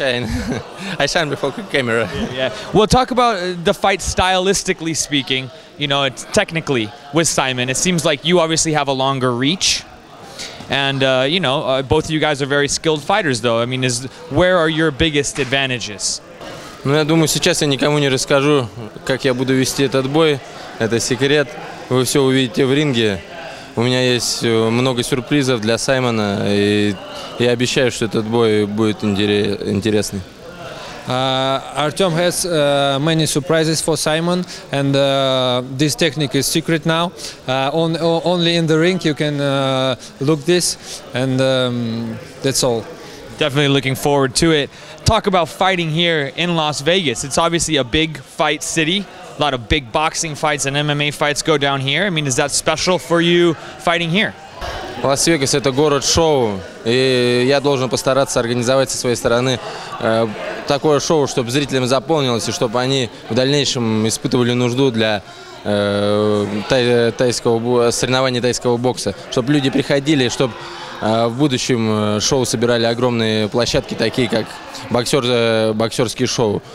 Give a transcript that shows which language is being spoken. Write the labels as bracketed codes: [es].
[en] I signed before camera. Yeah. Well, talk about the fight stylistically speaking. You know, it's technically with Simon, it seems like you obviously have a longer reach, and you know, both of you guys are very skilled fighters. Though, I mean, where are your biggest advantages? [ru] Ну, я думаю, сейчас я никому не расскажу, как я буду вести этот бой. Это секрет. Вы все увидите в ринге. У меня есть много сюрпризов для Саймона, и я обещаю, что этот бой будет интересный. [en] Artem has many surprises for Simon, and this technique is secret now. Only in the ring you can look this, and that's all. Definitely looking forward to it. Talk about fighting here in Las Vegas. It's obviously a big fight city. A lot of big boxing fights and MMA fights go down here. I mean, is that special for you fighting here? [ru] Лас-Вегас – это город шоу, и я должен постараться организовать со своей стороны такое шоу, чтобы зрителям заполнилось, и чтобы они в дальнейшем испытывали нужду для соревнований тайского бокса. Чтобы люди приходили, чтобы в будущем шоу собирали огромные площадки, такие как боксерские шоу.